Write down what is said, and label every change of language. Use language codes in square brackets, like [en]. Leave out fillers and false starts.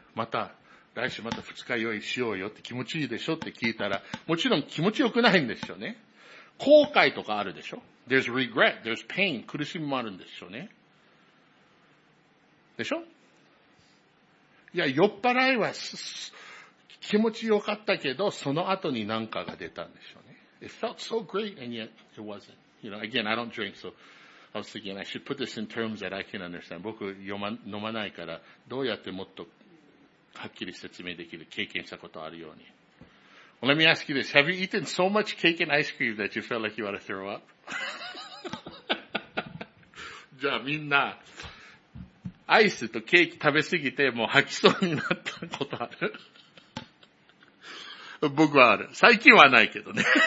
[ja] また、来週また二日酔いしようよって気持ちいいでしょって聞いたら、もちろん気持ちよくないんですよね。後悔とかあるでしょ? [en] There's regret, there's pain, [ja] 苦しみもあるんでしょうね。でしょ? いや、酔っ払いは気持ちよかったけど、その後に何かが出たんでしょうね。 [en] It felt so great and yet it wasn't. You know, again, I don't drink, so I was thinking I should put this in terms that I can understand. [ja] 僕、飲まないから、どうやってもっとはっきり説明できる、経験したことあるように。 [en] Well, let me ask you this. Have you eaten so much cake and ice cream that you felt like you ought to throw up? [ja] じゃあみんな、アイスとケーキ食べすぎてもう吐きそうになったことある? 僕はある。最近はないけどね。